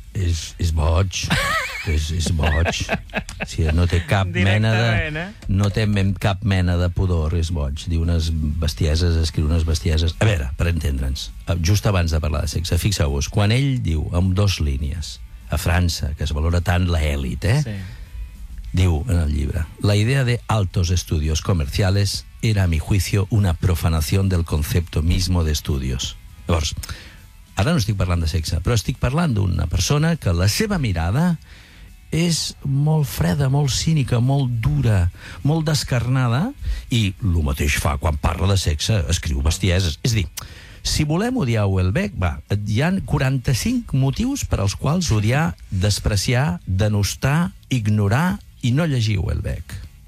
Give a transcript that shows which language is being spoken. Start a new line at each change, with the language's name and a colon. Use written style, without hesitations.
Catalan: És boig. És boig. O sigui, no té cap mena de... No té cap mena de pudor, és boig. Diu unes bestieses, escriu unes bestieses... A veure, per entendre'ns, just abans de parlar de sexe, fixeu-vos, quan ell diu, amb dos línies, a França, que es valora tant l'elit, eh? Sí. Diu en el llibre,
Spanish: la idea de altos estudios comerciales era, a mi juicio, una profanación del concepto mismo de estudios.
Catalan: Llavors, ara no estic parlant de sexe, però estic parlant d'una persona que la seva mirada és molt freda, molt cínica, molt dura, molt descarnada, i el mateix fa quan parla de sexe, escriu bestieses. És a dir, si volem odiar Houellebecq, va, hi ha 45 motius per als quals odiar, despreciar, denostar, ignorar i no llegir Houellebecq.